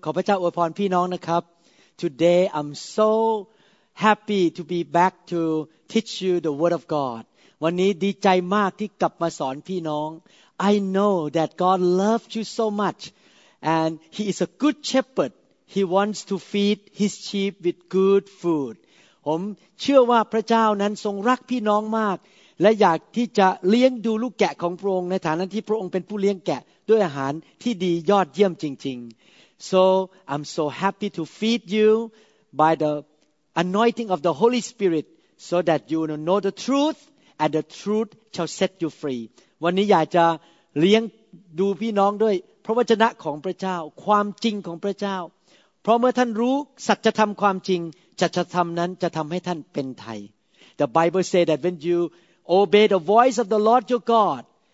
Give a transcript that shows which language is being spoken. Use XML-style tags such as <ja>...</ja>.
<th>ขอพระเจ้าอวยพรพี่น้องนะครับ</th> <en>Today I'm so happy to be back to teach you the word of God.</en> <th>วันนี้ดีใจมากที่กลับมาสอนพี่น้อง</th> <en>I know that God loves you so much and he is a good shepherd. He wants to feed his sheep with good food.</en> <th>ผมเชื่อว่าพระเจ้านั้นทรงรักพี่น้องมากและอยากที่จะเลี้ยงดูลูกแกะของพระองค์ในฐานะที่พระองค์เป็นผู้เลี้ยงแกะด้วยอาหารที่ดียอดเยี่ยมจริงๆ</th> <en>So I'm so happy to feed you by the anointing of the Holy Spirit so that you will know the truth and the truth shall set you free</en> <th>วันนี้อยากจะเลี้ยงดูพี่น้องด้วยพระวจนะของพระเจ้าความจริงของพระเจ้าเพราะเมื่อท่านรู้สัจธรรมความจริงสัจธรรมนั้นจะทำให้ท่านเป็นไทย</th> <en>The Bible say that when youObey the voice of the Lord your God.</en>